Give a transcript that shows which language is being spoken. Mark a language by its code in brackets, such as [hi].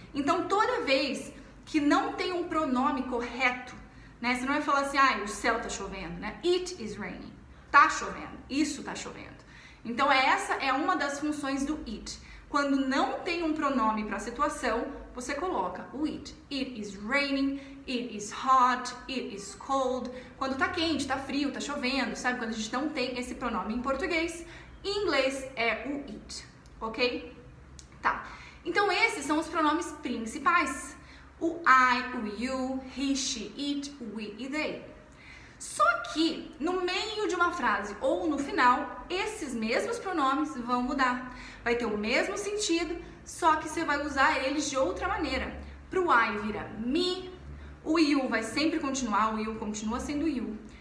[pt] Então, toda vez que não tem um pronome correto, né, você não vai falar assim, ah, o céu tá chovendo, né? [en] It is raining. [pt] Tá chovendo. Isso tá chovendo. Então, essa é uma das funções do it. Quando não tem um pronome para a situação, você coloca o it. [en] It is raining, it is hot, it is cold. [pt] Quando tá quente, tá frio, tá chovendo, sabe? Quando a gente não tem esse pronome em português, em inglês é o it, ok? Tá. Então esses são os pronomes principais. O I, o you, he, she, it, we e they. Só que no meio de uma frase ou no final, esses mesmos pronomes vão mudar. Vai ter o mesmo sentido, só que você vai usar eles de outra maneira. Para o I vira me, o you vai sempre continuar, o you continua sendo you.